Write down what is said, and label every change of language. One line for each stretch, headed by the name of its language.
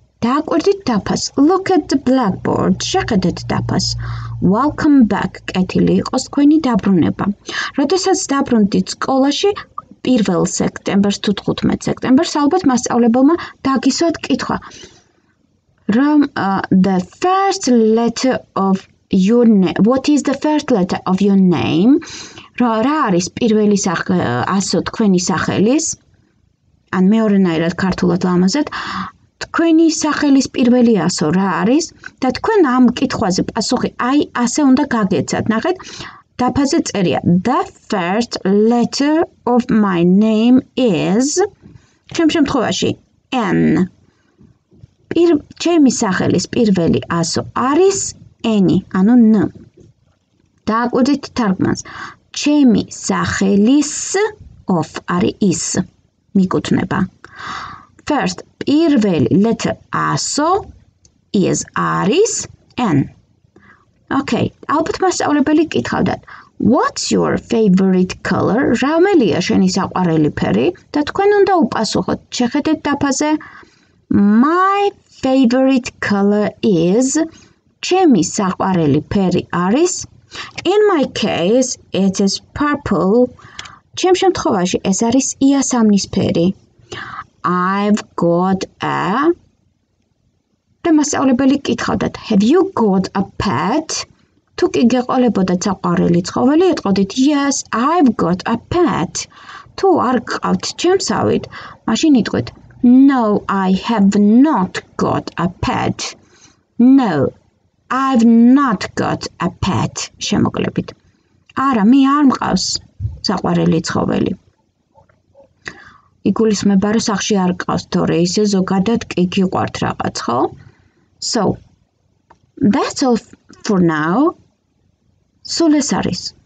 Georgian: დააკვირდით დაფას.
English: Look at the blackboard.
Georgian: შეხედეთ დაფას.
English: Welcome back.
Georgian: კეთილი იყოს თქვენი დაბრუნება. როდესაც დაბრუნდით სკოლაში 1 სექტემბერს თუ 15 სექტემბერს, ალბათ მასწავლებელმა დაგისვათ კითხვა.
English: From the first letter of your name. What is the first letter of your name?
Georgian: რა არის პირველი ასო თქვენი სახელის? ან მეორენაირად ქართულად ლამაზად, თქვენი სახელის პირველი ასო რა არის? და თქვენ ამ კითხვაზე პასუხი აი ასე უნდა გაგეცათ. ნახეთ, დაფაზე წერია:
English: The first letter of my name is.
Georgian: ჩემ შემთხვევაში N. ჩემი სახელის პირველი ასო არის N, ანუ N. დააკვირდით თარგმანს. ჩემი სახელის of არის is. მიკუთვნება.
English: First, პირველი letter ასო is არის N.
Georgian: Okay, ალბათ მასწავლებელი კითხავდა.
English: What's your favorite color?
Georgian: რომელია შენი საყვარელი ფერი? და თქვენ უნდა უპასუხოთ. შეხედეთ დაფაზე.
English: My favorite color is.
Georgian: ჩემი საყვარელი ფერი არის.
English: In my case, it is purple.
Georgian: ჩემ შემთხვევაში ეს არის იასამნისფერი.
English: I've got a.
Georgian: და მასწავლებელი კითხავდათ.
English: Have you got a pet?
Georgian: თუ კი გეყოლებოდათ საყვარელი ცხოველი, ეტყოდით
English: Yes, I've got a pet.
Georgian: თუ არ გყავთ ჩემსავით, მაშინ იტყვით
English: No, I have not got a pet. No, I've not got a pet.
Georgian: შემოკლებით. არა, მე არ მყავს საყვარელი ცხოველი. იგულისხმება, რომ სახლში არ გყავს, თორე ისე ზოგადად კი გიყვართ რაღაც, ხო?
English: So, that's all for now.
Georgian: სულ ეს არის.